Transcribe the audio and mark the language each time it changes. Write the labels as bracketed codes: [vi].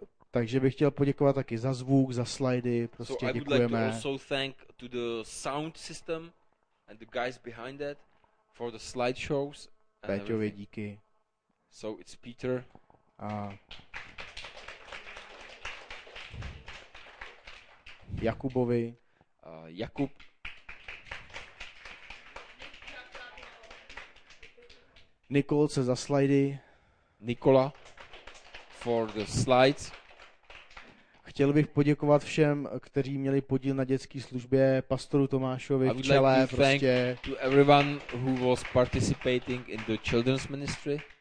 [cs] Takže bych chtěl poděkovat taky za zvuk, za slidy, prostě [en] so [cs] děkujeme. [en] I would like to also thank to the sound system and the guys behind that for the slideshows. [cs] Peťovi, díky. [en] So it's Peter. [cs] Jakubovi. [en] Jakub. [cs] Nikolce za slidy. [en] Nikola for the slides. [cs] Chtěl bych poděkovat všem, kteří měli podíl na dětské službě, pastoru Tomášovi v čele, [en] like to [cs] prostě. [en] Thank to everyone who was participating in the children's ministry.